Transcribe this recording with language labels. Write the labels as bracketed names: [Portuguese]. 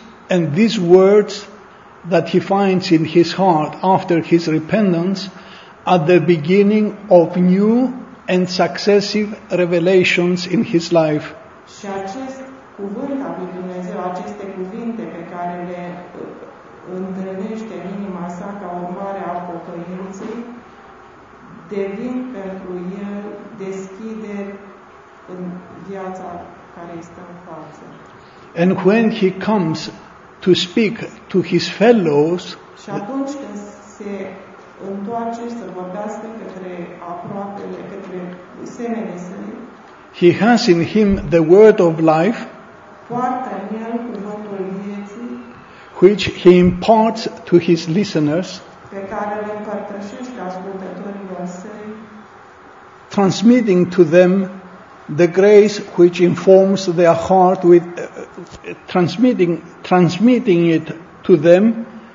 [English] And these words that he finds in his heart after his repentance are the beginning of new and successive revelations in his life. [Romanian] Și acest cuvânt al lui Dumnezeu, aceste cuvinte pe care le întâlnește în inima sa ca urmare a pocăinței, devin pentru el deschideri în viața care este în față. [English] And when he comes to speak to his fellows, [Romanian] și atunci când se întoarce să vorbească către aproapele, către semenii săi, [English] he has in him the word of life, [Romanian] poartă în el cuvântul vieții, [English] which he imparts to his listeners, [Romanian] pe care le împărtășește ascultătorilor săi, [English] transmitting to them the grace which informs their heart with transmitting it to them